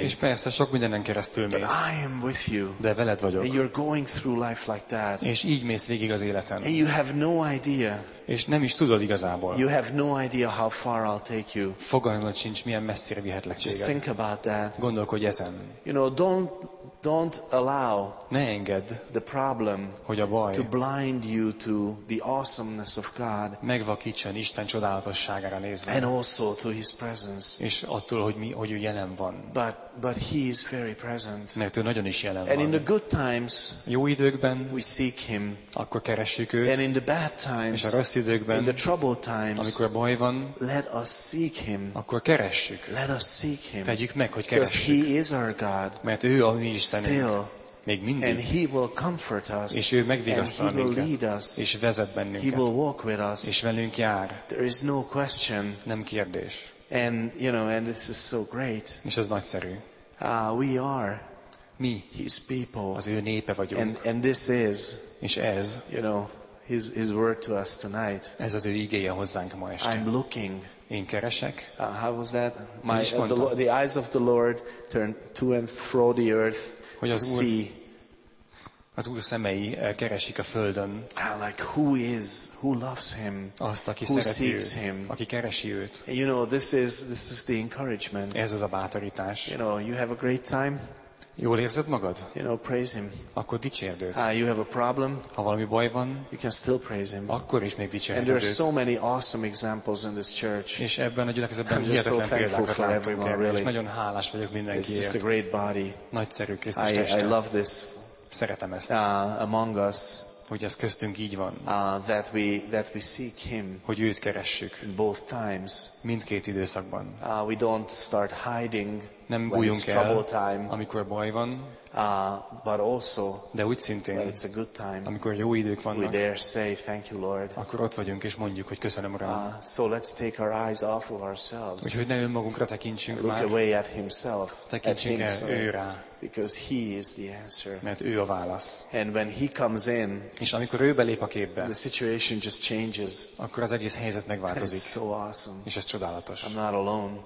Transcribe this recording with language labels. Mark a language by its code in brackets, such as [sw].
[hu] És persze sok mindenen keresztül mész. [en] But I am with you. [hu] De veled vagyok. [en] And you're going through life like that. [hu] És így mész végig az életen. [en] And you have no idea. [hu] És nem is tudod igazából. [en] You have no idea how far I'll take you. [hu] Fogalmad sincs, milyen messzire vihetlek téged. [en] Just think about that. [hu] Gondolkodj ezen. [en] You know, don't Don't allow the problem to blind you to the awesomeness of God. [hu] Megvakítson Isten csodálatosságára nézve. [en] And also to His presence. [hu] És attól, hogy mi, hogy ő jelen van. [en] But He is very present. [hu] Mert ő nagyon is jelen [en] and [hu] van. [en] And in the good times, [hu] jó időkben, [en] we seek Him. [hu] Akkor keressük őt. [en] And in the bad times, [hu] és a rossz időkben, [en] in the troubled times, [hu] amikor baj van, [en] let us seek Him. [hu] Akkor keressük. [en] Let us seek Him. [hu] Vegyük meg, hogy keressük. [en] Because He is our God. [hu] Mert ő a mi Istenünk. [en] Still, [hu] még mindig. [en] And He will comfort us. [hu] És ő megvigasztal minket. [en] And He will lead us. [hu] És vezet bennünket. [en] He will walk with us. [hu] És velünk jár. [en] There is no question. [hu] Nem kérdés. [en] And you know, and this is so great. [hu] És ez nagyszerű. [en] We are. [hu] Mi. [en] His people. [hu] Az ő népe vagyunk. [en] And this is. [hu] És ez. [en] You know, His word to us tonight. [hu] Ez az ő igéje hozzánk ma este. [en] I'm looking. [hu] Én keresek. [en] How was that? The eyes of the Lord turned to and fro the earth. [hu] Hogy az Úr, [en] see. [hu] Az Úr szemei keresik a földön. [en] Like who is, who loves Him? [hu] Azt, aki [en] who [hu] szereti [en] seeks [hu] őt, [en] Him? [hu] Aki keresi őt. [en] You know, this is the encouragement. [hu] Ez az a bátorítás. [en] You know, you have a great time. [hu] Jól érzed magad? [en] You know, praise Him. [hu] Akkor dicsérd őt. [en] You have a problem? [hu] Ha valami baj van, [en] you can still praise Him. [hu] Akkor is még dicsérd őt. [en] And there are so many awesome examples in this church. [hu] És ebben a gyülekezetben hihetetlen példákat látunk. És nagyon hálás vagyok mindenkiért. [en] It's just a great body. [hu] Nagyszerű Krisztus teste. [en] I love this. [hu] Szeretem ezt. [en] Among us. [hu] Hogy ez köztünk így van. [en] That we seek Him. [hu] Hogy őt keressük. [en] In both times. [hu] Mindkét időszakban. [en] We don't start hiding. [hu] Nem bújunk el, [en] time, [hu] amikor baj van, [en] but also, [hu] de úgy szintén, [en] it's a good time, [hu] amikor jó idők vannak, [en] we dare say, thank you, Lord. [hu] Akkor ott vagyunk és mondjuk, hogy köszönöm Uram. [en] So let's take our eyes off of ourselves. [hu] Úgyhogy ne önmagunkra tekintsünk [en] look [hu] már. [en] Away at himself, [hu] tekintsünk [en] at [hu] el [en] himself, [hu] őre. [en] Because he is the answer. [hu] Mert ő a válasz. [en] And when he comes in, [hu] és amikor ő belép a képbe, [en] the situation just changes. [hu] Akkor az egész helyzet megváltozik. [en] So awesome. [hu] És ez csodálatos. [en] I'm not alone.